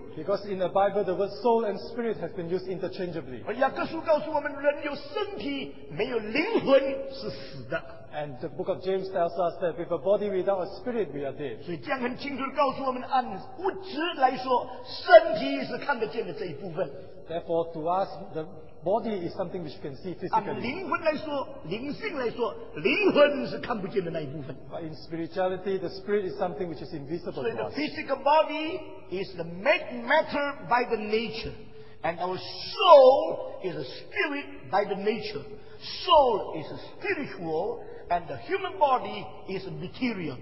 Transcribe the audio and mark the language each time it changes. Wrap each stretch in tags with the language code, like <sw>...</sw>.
<en>Because in the Bible, the word soul and spirit has been used interchangeably.</en> <zh>而雅各书告诉我们，人有身体，没有灵魂是死的。</zh> <en>And the book of James tells us that with a body without a spirit, we are dead.</en> <zh>所以这样很清楚地告诉我们，按物质来说，身体是看得见的这一部分。</zh> <en>Therefore, to us, the body is something which we can see physically.</en> <zh>按灵魂来说，灵性来说，灵魂是看不见的那一部分。</zh> <en>But in spirituality, the spirit is something which is invisible to us. So the physical body is the made matter by the nature, and our soul is a spirit by the nature. Soul is a spiritual, and the human body is a material.</en>